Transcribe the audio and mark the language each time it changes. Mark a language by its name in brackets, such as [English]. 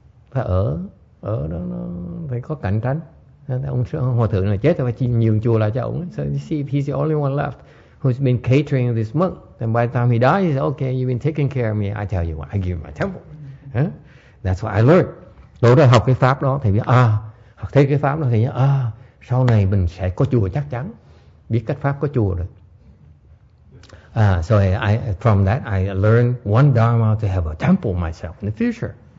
[Vietnamese] Phải ở đó nó phải có cạnh tránh. Ông hòa thượng là chết, phải nhường chùa lại cho ông. [English] So you see, if he's the only one left who's been catering this monk, then by the time he dies, he says, okay, you've been taking care of me. I tell you what, I give him my temple. That's what I learned. [Vietnamese] Đó là học cái pháp đó, thầy biết, học thấy cái pháp đó, thầy nhớ, sau này mình sẽ có chùa chắc chắn, biết cách pháp có chùa rồi. [English] So I from that I learned one dharma to have a temple myself in the future.